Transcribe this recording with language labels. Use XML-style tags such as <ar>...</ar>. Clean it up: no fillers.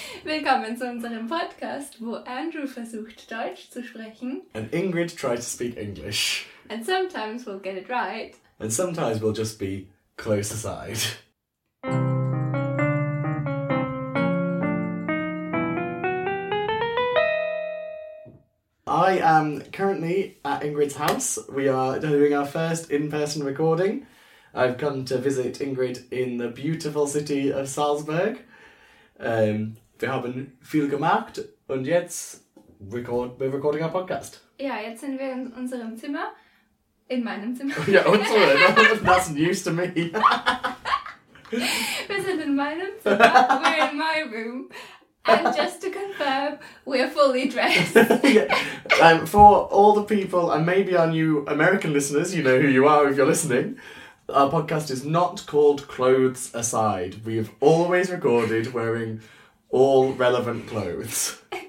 <de>Willkommen zu unserem Podcast, wo Andrew versucht, Deutsch zu sprechen.</de> <en>And Ingrid tries to speak English. And sometimes we'll get it right. And sometimes we'll just be Close Aside. I am currently at Ingrid's house. We are doing our first in-person recording. I've come to visit Ingrid in the beautiful city of Salzburg.</en> <de>Wir haben viel gemacht und jetzt</de> <en>we're recording our podcast.</en> <de>Ja, jetzt sind wir in unserem Zimmer. In meinem Zimmer. Ja, unsere.</de> <en>That's news to me.</en> <de>Wir sind in meinem Zimmer.</de> <en>We're in my room. And just to confirm, we're fully dressed. Yeah. For all the people, and maybe our new American listeners, you know who you are if you're listening, our podcast is not called Clothes Aside. We have always recorded wearing all relevant clothes.</en>